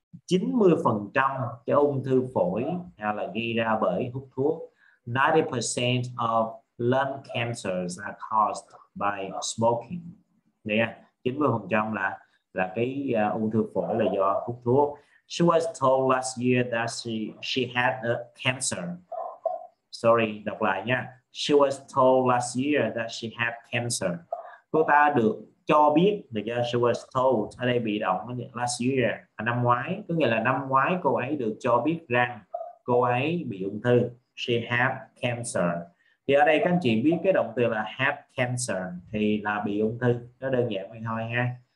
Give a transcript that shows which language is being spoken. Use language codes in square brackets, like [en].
[vi] 90% cái ung thư phổi hay là gây ra bởi hút thuốc. [en] 90% of lung cancers are caused by smoking. [vi] Yeah, 90% là cái ung thư phổi là do hút thuốc. [en] She was told last year that she had a cancer. Sorry, [vi] đọc lại nha. [en] She was told last year that she had cancer. [vi] Cô ta được cho biết, được chưa? [en] She was told, [vi] ở đây bị động, [en] last year, [vi] năm ngoái, có nghĩa là năm ngoái cô ấy được cho biết rằng cô ấy bị ung thư. [en] She had cancer. [vi] Thì ở đây các anh chị biết cái động từ là have cancer thì là bị ung thư, nó đơn giản vậy thôi ha.